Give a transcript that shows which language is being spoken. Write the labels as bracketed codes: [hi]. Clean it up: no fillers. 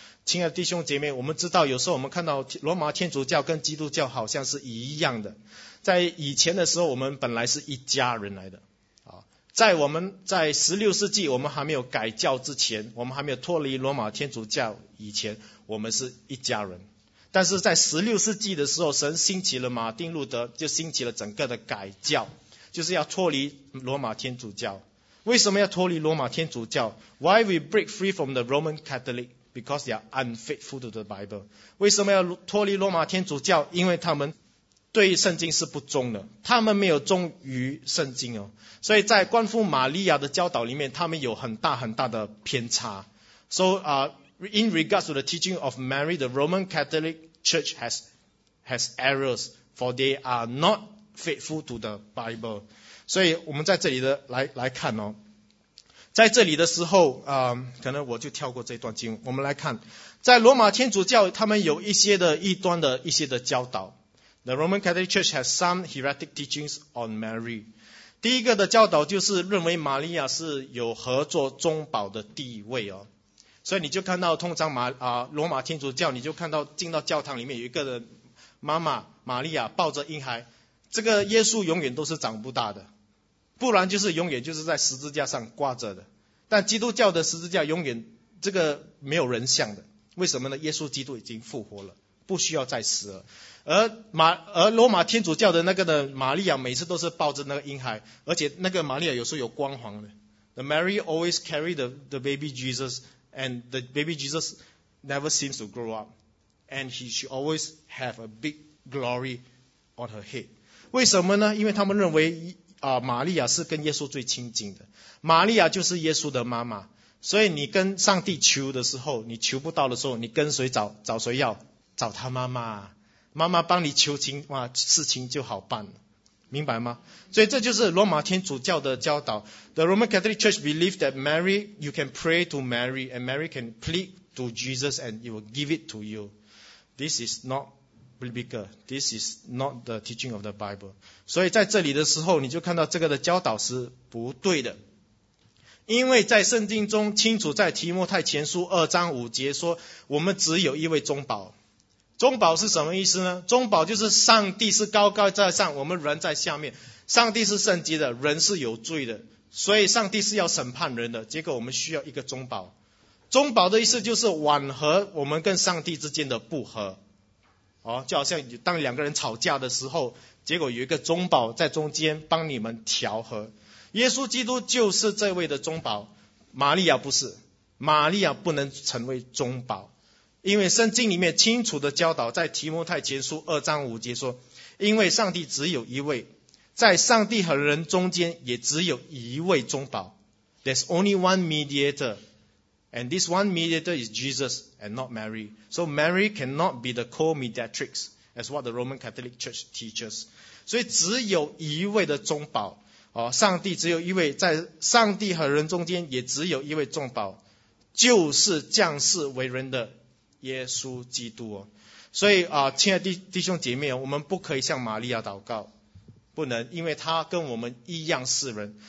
[zh] 亲爱的弟兄姐妹，我们知道有时候我们看到罗马天主教跟基督教好像是一样的，在以前的时候我们本来是一家人来的，在我们在16世纪我们还没有改教之前，我们还没有脱离罗马天主教以前，我们是一家人。但是在16世纪的时候，神兴起了马丁路德，就兴起了整个的改教，就是要脱离罗马天主教。为什么要脱离罗马天主教？ [en] Why we break free from the Roman Catholic? Because they are unfaithful to the Bible. [zh] 为什么要脱离罗马天主教？因为他们对圣经是不忠的，他们没有忠于圣经哦，所以在关乎玛利亚的教导里面，他们有很大很大的偏差。 [en] So, in regards to the teaching of Mary, the Roman Catholic Church has errors, for they are not faithful to the Bible. [zh] 所以我们在这里的来看哦，在这里的时候，可能我就跳过这段经文，我们来看，在罗马天主教，他们有一些的异端的一些的教导。 [en] The Roman Catholic Church has some heretic teachings on Mary. [zh] 第一个的教导就是认为玛利亚是有合作中保的地位哦。所以你就看到通常罗马天主教，你就看到进到教堂里面有一个人妈妈玛利亚抱着婴孩，这个耶稣永远都是长不大的，不然就是永远就是在十字架上挂着的。但基督教的十字架永远这个没有人像的，为什么呢？耶稣基督已经复活了，不需要再死了。而罗马天主教的那个的玛利亚每次都是抱着那个婴孩，而且那个玛利亚有时候有光环的。 [en] The Mary always carry the baby Jesus, and the baby Jesus never seems to grow up, and she always have a big glory on her head. [zh] 为什么呢？因为他们认为玛利亚是跟耶稣最亲近的，玛利亚就是耶稣的妈妈。所以你跟上帝求的时候，你求不到的时候，你跟谁找？找谁要？找他妈妈，妈妈帮你求情，哇，事情就好办了，明白吗？所以这就是罗马天主教的教导。 [en] The Roman Catholic Church believe that Mary, you can pray to Mary, and Mary can plead to Jesus, and he will give it to you. This is not biblical. This is not the teaching of the Bible. [zh] 所以在这里的时候，你就看到这个的教导是不对的。因为在圣经中清楚在提摩太前书二章五节说，我们只有一位中保。中保是什么意思呢？中保就是上帝是高高在上，我们人在下面。上帝是圣洁的，人是有罪的，所以上帝是要审判人的，结果我们需要一个中保。中保的意思就是缓和我们跟上帝之间的不和，就好像当两个人吵架的时候，结果有一个中保在中间帮你们调和。耶稣基督就是这位的中保，玛利亚不是，玛利亚不能成为中保。因为圣经里面清楚的教导，在提摩太前书二章五节说，因为上帝只有一位，在上帝和人中间也只有一位中保。 [en] There's only one mediator, and this one mediator is Jesus and not Mary. So Mary cannot be the co-mediatrix, as what the Roman Catholic Church teaches. [zh] 所以只有一位的中保，上帝只有一位，在上帝和人中间也只有一位中保，就是降世为人的耶稣基督哦。所以亲爱的弟兄姐妹，我们不可以向玛利亚祷告，不能，因为他跟我们一样是人。